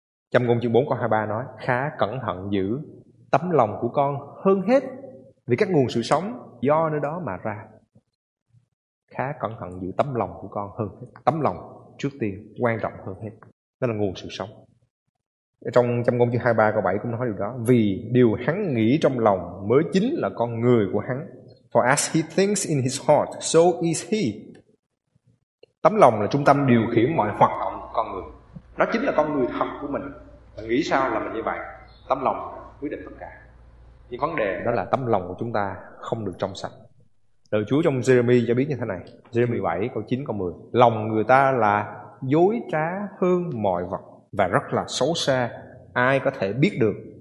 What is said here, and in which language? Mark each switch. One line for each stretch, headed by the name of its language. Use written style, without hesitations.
Vietnamese: Châm ngôn chương 4 câu 23 nói: khá cẩn thận giữ tấm lòng của con hơn hết, vì các nguồn sự sống do nơi đó mà ra. Khá cẩn thận giữ tấm lòng của con hơn hết. Tấm lòng trước tiên quan trọng hơn hết. Đó là nguồn sự sống. Trong châm ngôn chương 23 câu 7 cũng nói điều đó: vì điều hắn nghĩ trong lòng mới chính là con người của hắn.
English: For as he thinks in his heart, so is he.
Vietnamese: Tấm lòng là trung tâm điều khiển mọi hoạt động của con người. Nó chính là con người thật của mình. Mình nghĩ sao là mình như vậy. Tấm lòng quyết định tất cả. Nhưng vấn đề đó là tấm lòng của chúng ta không được trong sạch. Lời Chúa trong Jeremy cho biết như thế này: Jeremy 7 câu 9 câu 10: lòng người ta là dối trá hơn mọi vật và rất là xấu xa, ai có thể biết được?